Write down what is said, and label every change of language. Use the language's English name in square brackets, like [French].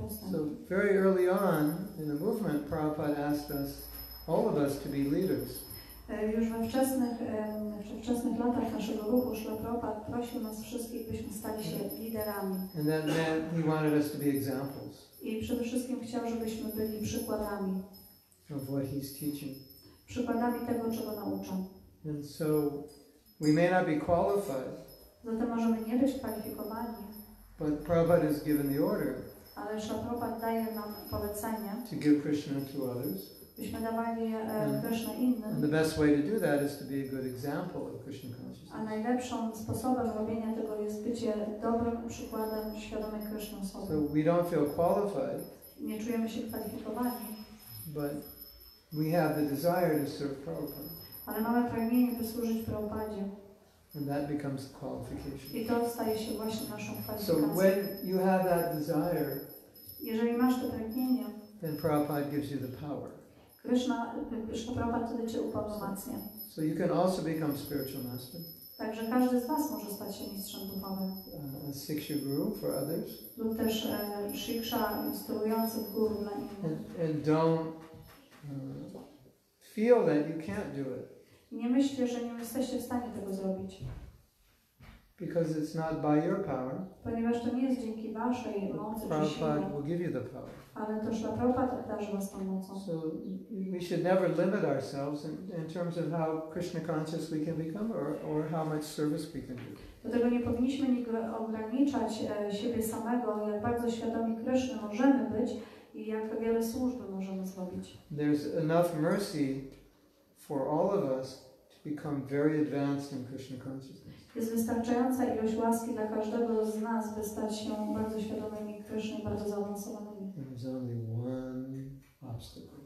[English] So very early on in the movement, Prabhupada asked us, all of us, to be leaders. [Polish] Już we wczesnych latach naszego ruchu Śla Prabhupada prosił nas wszystkich, byśmy stali się liderami. [English] And that meant he wanted us to be examples. [Polish] I przede wszystkim chciał, żebyśmy byli przykładami. [English] Of what he's teaching. [Polish] Przykładami tego, czego naucza. [English] And so we may not be qualified. [Polish] Zatem możemy nie być kwalifikowani. [English] But Prabhupada has given the order. [Polish] Ale Śla Prabhupada daje nam polecenie. [English] To give Krishna to others. [Polish] Byśmy dawali Krishna innym. [English] And the best way to do that is to be a good example of Krishna consciousness. [Polish] A najlepszym sposobem robienia tego jest bycie dobrym przykładem świadomej Krishna osoby. [English] So we don't feel qualified. [Polish] Nie czujemy się kwalifikowani. [English] But we have the desire to serve Prabhupada. [Polish] Ale mamy pragnienie, by służyć Prabhupadzie. [English] And that becomes qualification. [Polish] I to staje się właśnie naszą kwalifikacją. [English] So when you have that desire, [Polish] jeżeli masz to pragnienie, [English] then Prabhupada gives you the power. [Polish] Krishna Prabhupada wtedy cię upomocnia. [English] So you can also become spiritual master. [Polish] Także każdy z nas może stać się mistrzem duchowym. [English] A siksha guru for others. [Polish] Lub też siksha instruujący guru dla innych. [English] And don't feel that you can't do it. [Polish] Nie myślcie, że nie jesteście w stanie tego zrobić. [English] Because it's not by your power. [Polish] Ponieważ to nie jest dzięki waszej mocy. [English] Prabhupada will give you the power. [Polish] Ale to Śla Prabhupada darzy was tą mocą. [English] So we should never limit ourselves in terms of how Krishna conscious we can become or how much service we can do. [Polish] Dlatego nie powinniśmy ograniczać siebie samego, jak bardzo świadomi Krishna możemy być. I jak wiele służb możemy zrobić. [English] There's enough mercy for all of us to become very advanced in Krishna consciousness. [Polish] Jest wystarczająca ilość łaski dla każdego z nas, by stać się bardzo świadomymi Krishna, bardzo zaawansowanymi. [English] There's only one obstacle.